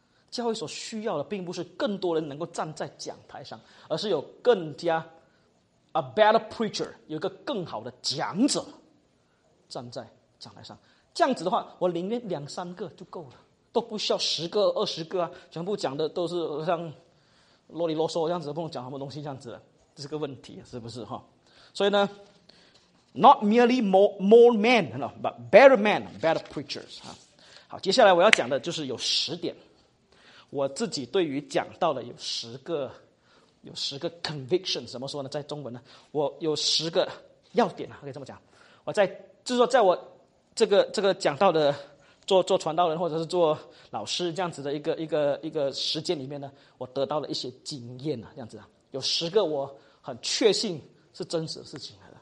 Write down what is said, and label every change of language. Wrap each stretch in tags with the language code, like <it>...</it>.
<zh>教会所需要的并不是更多人能够站在讲台上，而是有更加</zh> <en>a better preacher，</en> <zh>有一个更好的讲者站在讲台上。这样子的话，我宁愿两三个就够了，都不需要十个、二十个啊，全部讲的都是像啰里啰嗦这样子，不能讲什么东西这样子的，这是个问题，是不是哈？所以呢？</zh> <en>Not merely more men, no, but better men, better preachers.</en> <zh>好，接下来我要讲的就是有十点，我自己对于讲到的有十个 conviction， 怎么说呢？在中文呢，我有十个要点啊，可以这么讲。我在就是说，在我这个讲到的做传道人或者是做老师这样子的一个时间里面呢，我得到了一些经验啊，这样子啊，有十个我很确信是真实的事情。</zh>